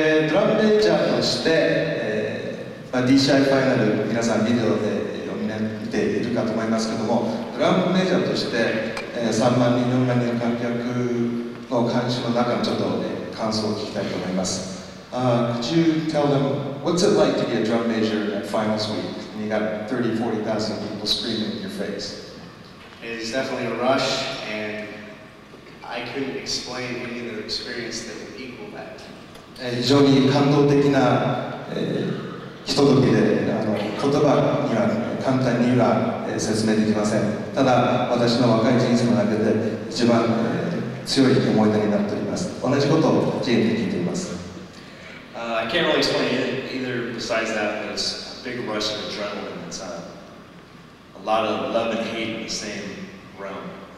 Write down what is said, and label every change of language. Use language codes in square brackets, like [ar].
[ja] ドラムメジャーとして、DCI ファイナル、皆さんビデオで見ているかと思いますけども、ドラムメジャーとして、3万人、4万人の観客の監視の中にちょっと、感想を聞きたいと思います。 [en] Could you tell them, what's it like to be a drum major at finals week? And you got 30, 40,000 people screaming in your face. It's definitely a rush, and I couldn't explain any other experience that would equal that. [ja] 非常に感動的な、ひとときで、言葉には簡単には、説明できません。ただ、私の若い人生の中で一番、強い思い出になっております。同じことをジェームズに聞いています。 [en] I can't really explain it either besides that, but it's a big rush of adrenaline. It's a lot of love and hate in the same realm.